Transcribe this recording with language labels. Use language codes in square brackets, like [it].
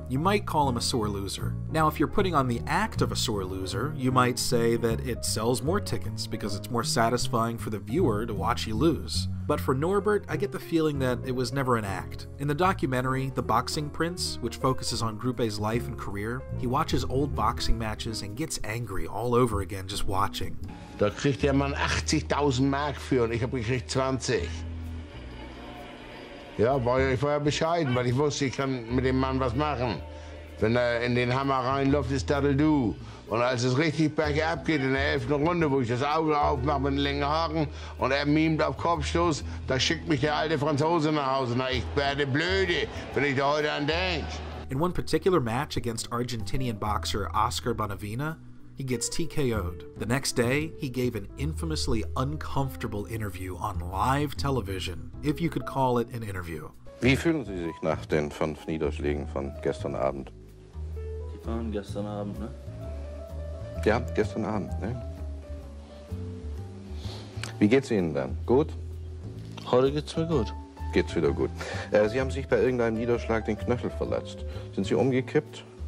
[en] You might call him a sore loser. Now, if you're putting on the act of a sore loser, you might say that it sells more tickets because it's more satisfying for the viewer to watch you lose. But for Norbert, I get the feeling that it was never an act. In the documentary, The Boxing Prince, which focuses on Grupe's life and career, he watches old boxing matches and gets angry all over again just watching. [de] Da kriegt der Mann 80.000 Mark für und ich habe gekriegt 20. Ja, ich war ja bescheiden, weil ich wusste, ich kann mit dem Mann was machen. Wenn er in den Hammer reinläuft, ist Daddle-Doo. Und als es richtig bergab geht in der 11. Runde, wo ich das Auge aufmache mit einem langen Haken und er mimt auf Kopfstoß, da schickt mich der alte Franzose nach Hause. Na, ich werde blöde, wenn ich da heute an denke. [en] In one particular match against Argentinian boxer Oscar Bonavina, he gets TKO'd. The next day, he gave an infamously uncomfortable interview on live television, if you could call it an interview. [de] Wie fühlen Sie sich nach den 5 Niederschlägen von gestern Abend? Die waren gestern Abend, ne? Ja, gestern Abend, ne? Wie geht's Ihnen dann? Gut? Heute geht's mir gut. Geht's wieder gut. Sie haben sich bei irgendeinem Niederschlag den Knöchel verletzt. Sind Sie umgekippt?